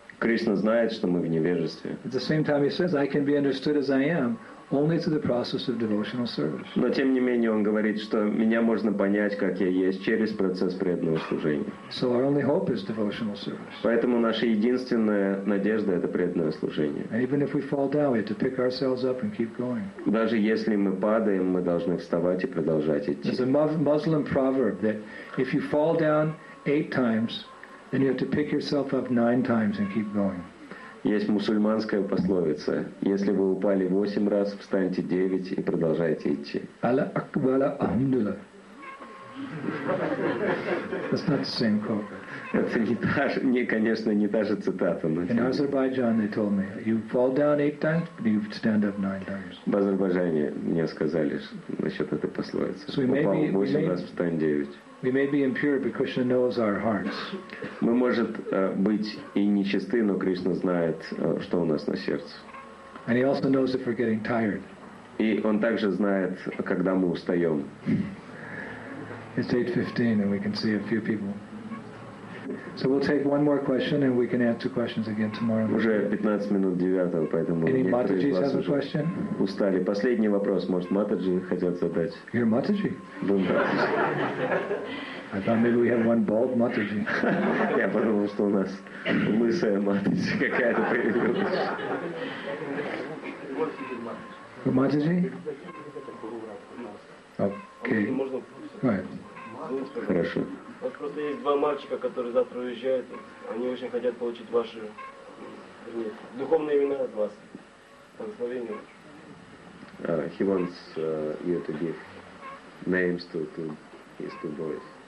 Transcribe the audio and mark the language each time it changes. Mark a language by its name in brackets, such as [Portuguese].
[Russian] Кришна знает, что мы в невежестве. [English] At the same time, he says, I can be understood as I am only through the process of devotional service. [Russian] Но тем не менее он говорит, что меня можно понять, как я есть, через процесс преданного служения. [English] So our only hope is devotional service. [Russian] Поэтому наша единственная надежда – это преданное служение. [English] And even if we fall down, we have to pick ourselves up and keep going. [Russian] Даже если мы падаем, мы должны вставать и продолжать идти. [English] There's a Muslim proverb that if you fall down 8 times, then you have to pick yourself up 9 times and keep going. [Russian] Есть мусульманская пословица: если вы упали 8 раз, встаньте 9 и продолжайте идти. [Arabic] Аллах акбар, альхамдулиллах. [English] That's not the same quote. [Russian] Это не та же, не, конечно, не та же цитата. Но [English] in Azerbaijan they told me, you fall down 8 times, but you stand up 9 times. [Russian] В Азербайджане мне сказали насчет этой пословицы: упал 8 раз, встань 9. [English] We may be impure, but Krishna knows our hearts. [Russian] Мы может быть и нечисты, но Кришна знает, что у нас на сердце. [English] And he also knows if we're getting tired. [Russian] И он также знает, когда мы устаем. [English] It's 8:15, and we can see a few people. So we'll take one more question, and we can answer questions again tomorrow. [Russian] Уже 9:15, поэтому [English] any Mataji has a question? [Russian] Устали. Последний вопрос, может, Mataji хотят задать? [English] You're Mataji. I thought maybe we have one bald Mataji. [Russian] Я подумал, что у нас лысая Mataji какая-то появилась. [English] Mataji? Okay. Right. [Russian] Хорошо. Вот просто есть 2 мальчика, которые завтра уезжают. Они очень хотят получить ваши, вернее, духовные имена от вас. Благословение. [English] He wants you to give names to his 2 boys.